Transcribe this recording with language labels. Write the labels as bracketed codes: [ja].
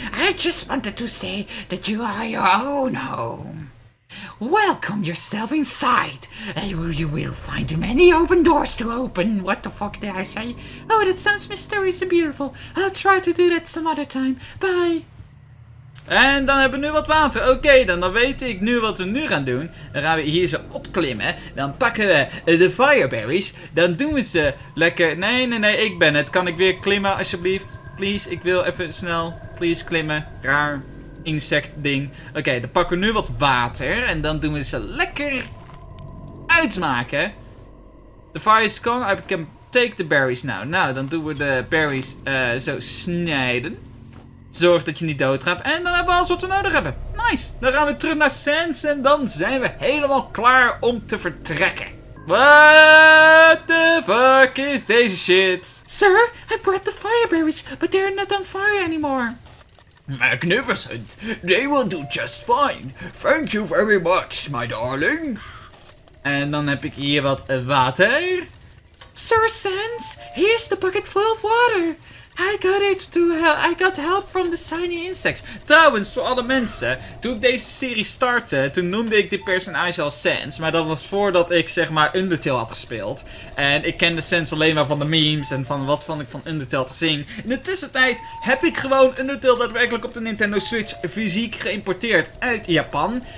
[en] I just wanted to say that you are your own home. Welcome yourself inside. You will find many open doors to open. What the fuck did I say? Oh, that sounds mysterious and beautiful. I'll try to do that some other time. Bye. [nl] En dan hebben we nu wat water. Oké, dan weet ik nu wat we nu gaan doen. Dan gaan we hier ze opklimmen. Dan pakken we de fireberries. Dan doen we ze lekker... Nee, ik ben het. Kan ik weer klimmen alsjeblieft? Please, ik wil even snel. Please klimmen. Raar insect ding. Oké, dan pakken we nu wat water. En dan doen we ze lekker uitmaken. [en] The fire is gone. I can take the berries now. [nl] Nou, dan doen we de berries zo snijden. Zorg dat je niet doodgaat. En dan hebben we alles wat we nodig hebben. Nice. Dan gaan we terug naar Sans. En dan zijn we helemaal klaar om te vertrekken. [en] What the fuck is deze shit? Sir, I brought the fireberries. But they're not on fire anymore. Magnificent. They will do just fine. Thank you very much, my darling. [nl] En dan heb ik hier wat water. [en] Sir Sans, here's the bucket full of water. I got help from the shiny insects. [nl] Trouwens, voor alle mensen. Toen ik deze serie startte, toen noemde ik dit personage al Sans. Maar dat was voordat ik, zeg maar, Undertale had gespeeld. En ik kende Sans alleen maar van de memes en van wat vond ik van Undertale had gezien. In de tussentijd heb ik gewoon Undertale daadwerkelijk op de Nintendo Switch fysiek geïmporteerd uit Japan.